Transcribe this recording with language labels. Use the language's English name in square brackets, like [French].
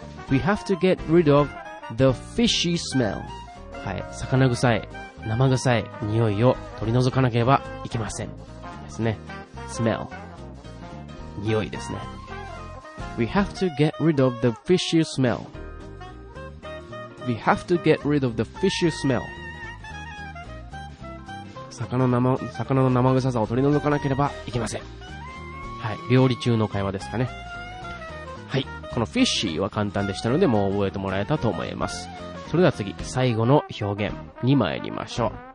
[English] We have to get rid of the fishy smell. [Japanese] はい。魚臭い、生臭い匂いを取り除かなければいけません。ですね。smell. 匂いですね。 [English] We have to get rid of the fishy smell. We have to get rid of the fishy smell. [Japanese] 魚の生臭さを取り除かなければいけません。はい。料理中の会話ですかね。はい。このフィッシーは簡単でしたので、もう覚えてもらえたと思います。それでは次、最後の表現に参りましょう。